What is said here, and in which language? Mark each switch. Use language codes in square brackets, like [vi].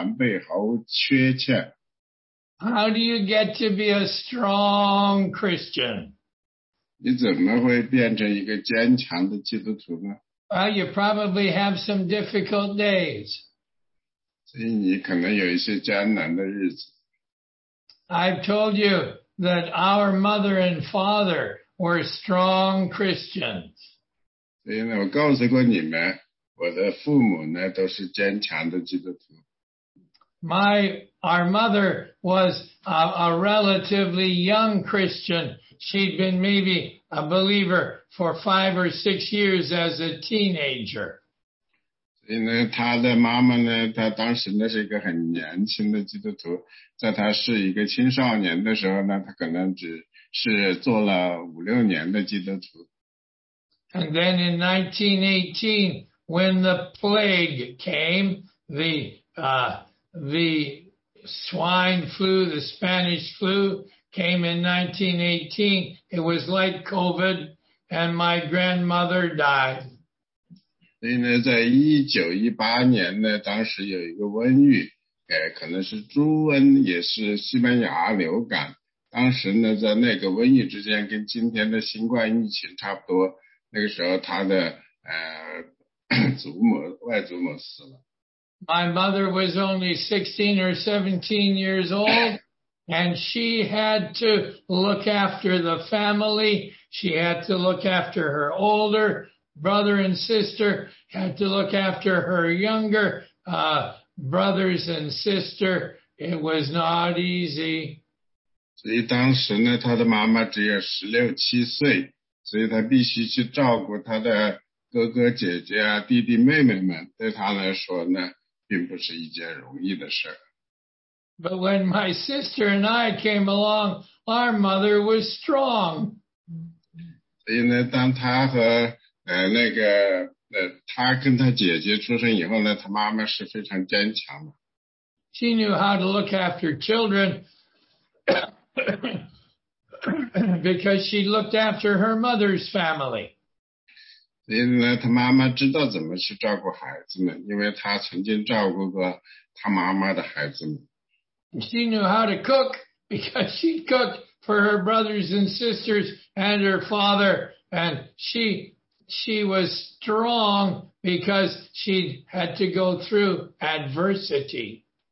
[zh] 所以第四节说，但忍耐也当成就完全的工作，使你们可以完全完备，毫无缺欠。 [en] How do you get to be a strong Christian? [zh] 你怎么会变成一个坚强的基督徒呢？ [en] Well, you probably have some difficult days. [zh] 所以你可能有一些艰难的日子。 [en] I've told you that our mother and father were strong Christians. [zh] 所以呢，我告诉过你们，我的父母呢都是坚强的基督徒。 [en] Our mother was a relatively young Christian. She'd been maybe a believer for 5 or 6 years as a teenager. [zh] 所以呢，他的妈妈呢，她当时呢是一个很年轻的基督徒，在她是一个青少年的时候呢，她可能只是做了5、6年的基督徒。 [en] And then in 1918, when the plague came, the swine flu, the Spanish flu, came in 1918. It was like COVID, and my grandmother died. [zh] 所以呢, 在1918年呢, 当时有一个瘟疫, 可能是猪瘟, 也是西班牙流感, 当时呢, 在那个瘟疫之间, 跟今天的新冠疫情差不多, 那个时候他的, 祖母, 外祖母, [en] My mother was only 16 or 17 years old, and she had to look after the family. She had to look after her older brother and sister, had to look after her younger brothers and sister. It was not easy. [zh] 所以当时呢, 她的妈妈只有 16, 7岁, 所以她必须去照顾她的 哥哥姐姐啊,弟弟妹妹们,对他来说呢,并不是一件容易的事。 [en] But when my sister and I came along, our mother was strong. [zh] 所以呢,当他和那个,他跟他姐姐出生以后呢,他妈妈是非常坚强的。 [en] She knew how to look after children because she looked after her mother's family. [zh] 因为呢,她妈妈知道怎么去照顾孩子们,因为她曾经照顾过她妈妈的孩子们。 [en] She knew how to cook because she cooked for her brothers and sisters and her father, and she was strong because she had to go through adversity.